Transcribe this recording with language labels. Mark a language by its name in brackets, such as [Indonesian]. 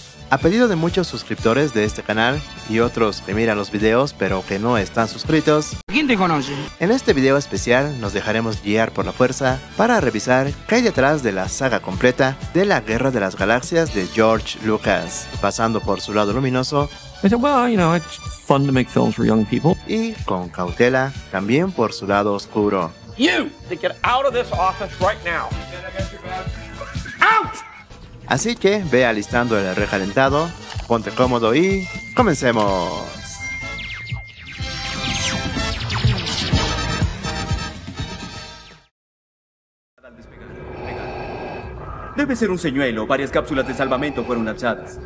[Spanish] A pedido de muchos suscriptores de este canal y otros que miran los videos pero que no están suscritos, ¿quién te conoce? En este video especial nos dejaremos guiar por la fuerza para revisar qué hay detrás de la saga completa de la Guerra de las Galaxias de George Lucas, pasando por su lado luminoso. [English] I said, well, you know, it's fun to make films for young people. [Spanish] Y con cautela, también por su lado oscuro. [English] You, to get out of this office right now. Out. [Spanish] Así que ve alistando el recalentado, ponte cómodo y comencemos. Debe ser un señuelo. Varias cápsulas de salvamento fueron lanzadas.